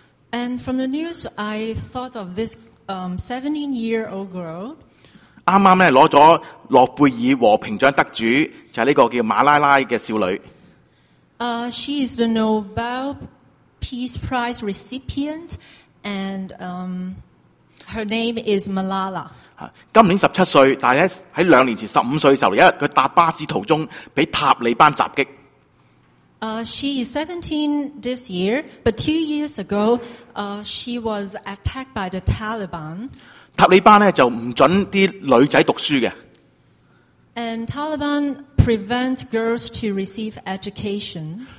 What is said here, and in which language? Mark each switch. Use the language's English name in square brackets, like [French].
[English] And from the news, I thought of this 17-year-old girl. [Cantonese] 啱啱咧攞咗諾貝爾和平獎得主，就係呢個叫馬拉拉嘅少女。 [English] She is the Nobel Peace Prize recipient, and her name is Malala. [Cantonese] 今年17歲，但系喺两年前15歲嘅时候，有一日佢搭巴士途中被塔利班袭击。 [English] She is 17 this year, but 2 years ago, she was attacked by the Taliban. [Cantonese] 塔利班咧就唔准啲女仔读书嘅。 [English] And Taliban prevent girls to receive education.